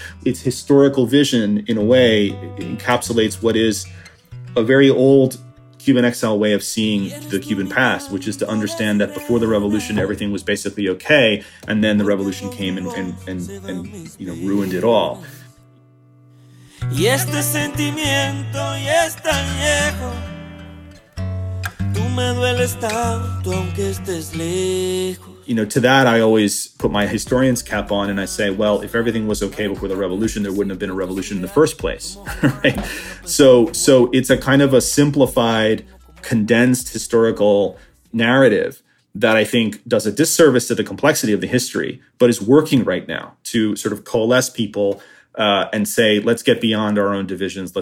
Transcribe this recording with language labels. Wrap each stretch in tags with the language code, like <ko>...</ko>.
<en>Its historical vision, in a way, encapsulates what is a very old Cuban exile way of seeing the Cuban past, which is to understand that before the revolution, everything was basically okay, and then the revolution came and you know, ruined it all.</en> <es>Y este sentimiento ya es tan viejo. Tú me dueles tanto aunque estés lejos.</es> <en>You know, to that I always put my historian's cap on and I say, well, if everything was okay before the revolution, there wouldn't have been a revolution in the first place. Right? So it's a kind of a simplified, condensed historical narrative that I think does a disservice to the complexity of the history, but is working right now to sort of coalesce people and say, let's get beyond our own divisions.</en>